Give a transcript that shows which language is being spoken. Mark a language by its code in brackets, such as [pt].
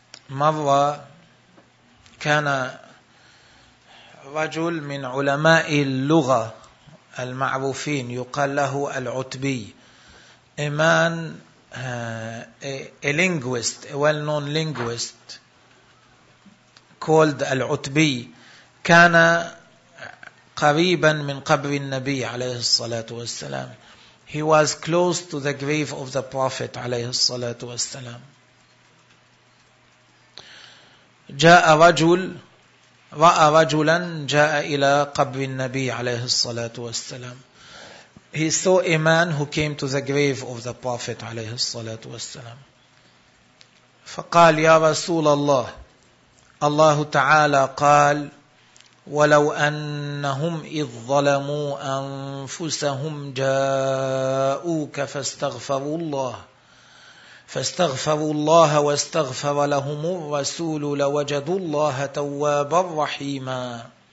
[ar] مرة كان رجل من علماء اللغة المعروفين يقال له العتبي, [en] a man, a linguist, a well-known linguist called [ar] العتبي, كان قريبا من قبر النبي عليه الصلاة والسلام. [en] He was close to the grave of the Prophet [ar] عليه الصلاة والسلام. جاء رجل, رأى رجلا جاء إلى قبر النبي عليه الصلاة والسلام. [en] He saw a man who came to the grave of the Prophet [ar] عليه الصلاة والسلام. فقال يا رسول الله, الله تعالى قال ولو أنهم إذ ظلموا أنفسهم جاءوك فاستغفروا الله فاستغفروا الله واستغفر لهم الرسول لوجدوا الله توابا رحيما